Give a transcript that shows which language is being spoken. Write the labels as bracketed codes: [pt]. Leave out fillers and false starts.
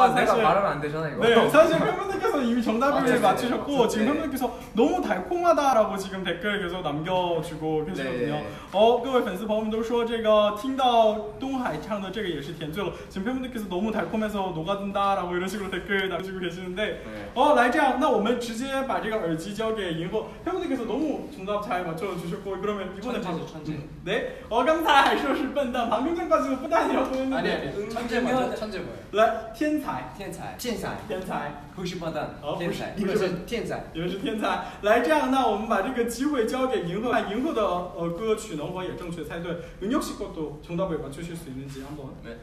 [ko] 아, 사실 내가 말하면 안 되잖아 이거. 네, 사실 팬분들께서 이미 정답을 아, 맞추셨고 네. 지금 팬분들께서 너무 달콤하다라고 지금 댓글 계속 남겨주고 계시거든요. 네. [zh] 各位 팬스 朋友们都说这个听到东海唱的这个也是甜醉了. [ko] 지금 팬분들께서 너무 달콤해서 녹아든다라고 이런 식으로 댓글 남겨주고 계시는데. 네. [zh] 来这样，那我们直接把这个耳机交给银河 [ko] 팬분들께서 너무 정답 잘 맞춰주셨고 그러면 이번에 천재죠, 천재. 네. [zh] 刚才还说是笨蛋, [ko] 방금 전까지도 笨蛋이라고 했는데. 아니, 천재뭐예요천재뭐예요 [zh] 来天才天才天才天才不是笨蛋天才你们是天才你们是天才来这样那我们把这个机会交给银河把银河的歌曲能否也正确猜对 [ko] 은혁씨것도정답을맞추실수있는지한번